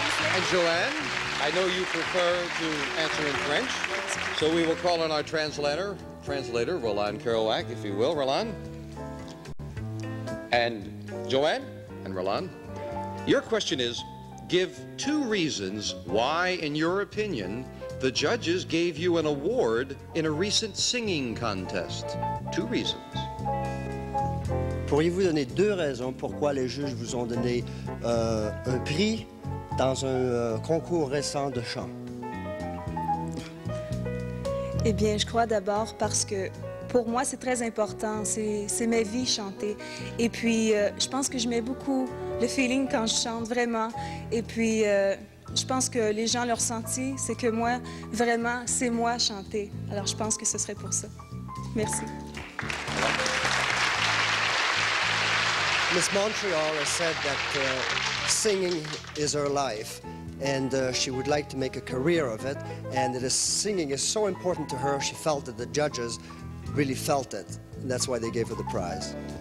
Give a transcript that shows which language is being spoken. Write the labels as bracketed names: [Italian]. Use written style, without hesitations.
[English] And Joanne, I know you prefer to answer in French, so we will call on our translator, Roland Kerouac, if you will. Roland? And Joanne? And Roland? Your question is, give two reasons why, in your opinion, the judges gave you an award in a recent singing contest. Two reasons. [French] Pourriez-vous donner deux raisons pourquoi les juges vous ont donné un prix dans un concours récent de chant? Eh bien, je crois d'abord parce que pour moi, c'est très important. C'est ma vie, chanter. Et puis, je pense que je mets beaucoup le feeling quand je chante, vraiment. Et puis, je pense que les gens l'ont ressenti. C'est que moi, vraiment, c'est moi chanter. Alors, je pense que ce serait pour ça. Merci. [English] Miss Montreal has said that singing is her life, and she would like to make a career of it. And it is, singing is so important to her, she felt that the judges really felt it. And that's why they gave her the prize.